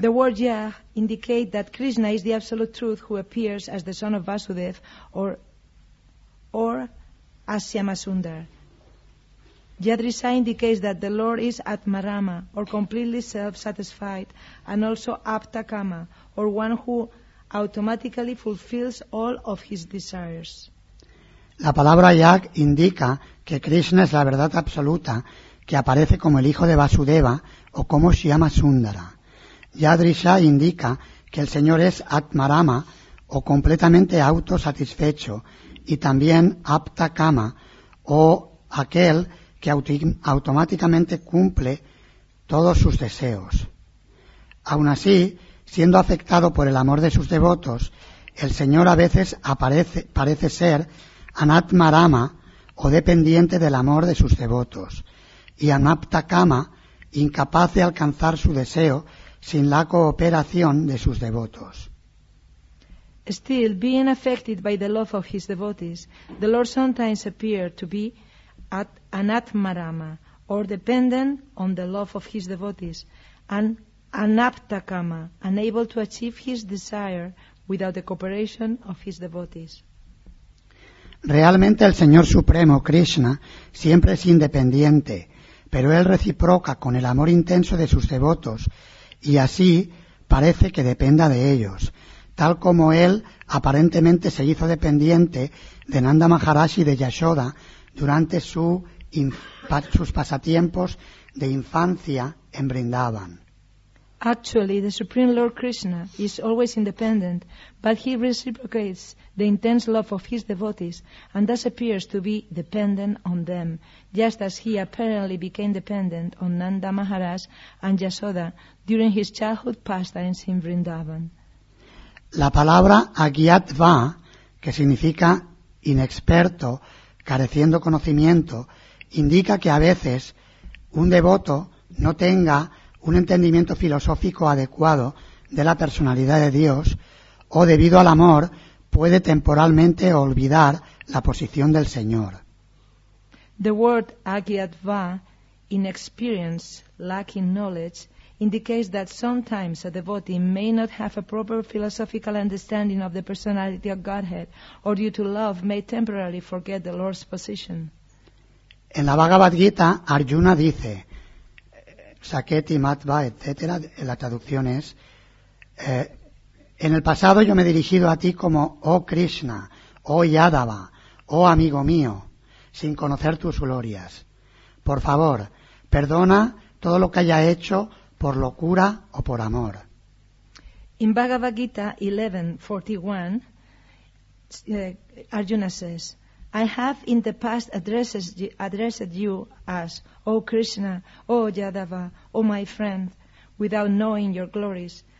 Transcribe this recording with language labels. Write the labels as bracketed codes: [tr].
[en] The word ya indicate that Krishna is the absolute truth who appears as the son of Vasudev or as Shyamasundar. Yadrisa indicates that the Lord is Atmarama, or completely self-satisfied, and also Aptakama, or one who automatically fulfills all of his desires. [es] La palabra yak indica que Krishna es la verdad absoluta que aparece como el hijo de Vasudeva o como Shyamasundara. Yadrisa indica que el Señor es Atmarama, o completamente autosatisfecho, y también Aptakama, o aquel que automáticamente cumple todos sus deseos. Aun así, siendo afectado por el amor de sus devotos, el Señor a veces parece ser Anatmarama, o dependiente del amor de sus devotos, y Anaptakama, incapaz de alcanzar su deseo sin la cooperación de sus devotos. [en] Still, being affected by the love of his devotees, the Lord sometimes appears to be Anatmarama, or dependent on the love of his devotees, and Anaptakama, unable to achieve his desire without the cooperation of his devotees. [es] Realmente el Señor Supremo, Krishna, siempre es independiente, pero él reciproca con el amor intenso de sus devotos, y así parece que dependa de ellos, tal como él aparentemente se hizo dependiente de Nanda Maharaj y de Yashoda durante sus pasatiempos de infancia en Vrindavan. [en] Actually, the Supreme Lord Krishna is always independent, but he reciprocates the intense love of his devotees and thus appears to be dependent on them, just as he apparently became dependent on Nanda Maharaj and Yashoda during his childhood pastimes in Vrindavan. [es] La palabra agyatva, que significa inexperto, careciendo conocimiento, indica que a veces un devoto no tenga un entendimiento filosófico adecuado de la personalidad de Dios, o debido al amor puede temporalmente olvidar la posición del Señor. [en] The word agyatva, inexperience, lacking knowledge, indicates that sometimes a devotee may not have a proper philosophical understanding of the personality of Godhead, or due to love may temporarily forget the Lord's position. [es] En la Bhagavad Gita, Arjuna dice, Saketi, Matva, etc., la traducción es, en el pasado yo me he dirigido a ti como, oh Krishna, oh Yadava, oh amigo mío, sin conocer tus glorias. Por favor, perdona todo lo que haya hecho por locura o por amor. [en] In Bhagavad Gita 11:41, Arjuna says, I have in the past addressed you as, O Krishna, O Yadava, O my friend, without knowing your glories.